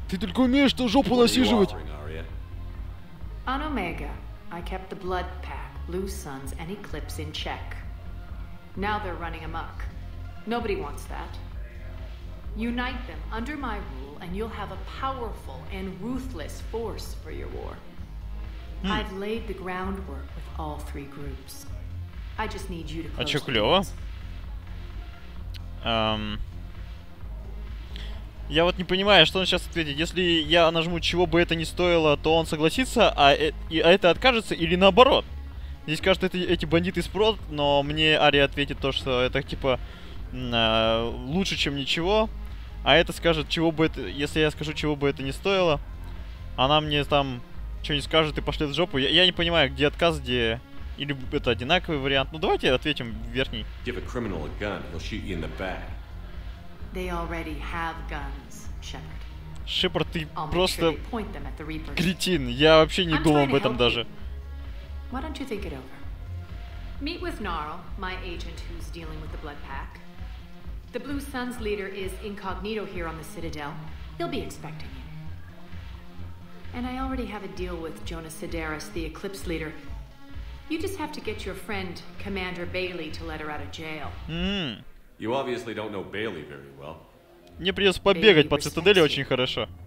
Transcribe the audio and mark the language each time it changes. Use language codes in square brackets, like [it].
[ru] Ты только умеешь ту жопу насиживать. [en] On Omega, I kept the Blood Pack, Blue Suns, and Eclipse in check. Now they're running amok. Nobody wants that. Unite them under my rule, and you'll have a powerful and ruthless force for your war. Hmm. I've laid the groundwork with all three groups. I just need you to close. [ru] А чё, клёво? Я вот не понимаю, что он сейчас ответит. Если я нажму, чего бы это ни стоило, то он согласится, а это откажется, или наоборот? Здесь скажут, эти бандиты спрут, но мне Ария ответит то, что это типа лучше, чем ничего. А это скажет, чего бы это, если я скажу, чего бы это ни стоило, она мне там что-нибудь скажет и пошлет в жопу. Я не понимаю, где отказ, где... Или это одинаковый вариант. Ну давайте ответим в верхний. [en] Give a criminal a gun, he'll shoot you in the back. They already have guns, Shepard. [ru] Shepard, ты просто кретин. Я вообще не думал об этом даже. [en] Why don't you think it over? Meet with Gnarl, my agent who's dealing with the Blood Pack. The Blue Sun's leader is incognito here on the Citadel. He'll be expecting you. And I already have a deal with Jonas Sedaris, the Eclipse leader. You just have to get your friend Commander Bailey to let her out of jail. Mm. You obviously don't know Bailey very well. [ru] Мне придется побегать по цитадели очень хорошо.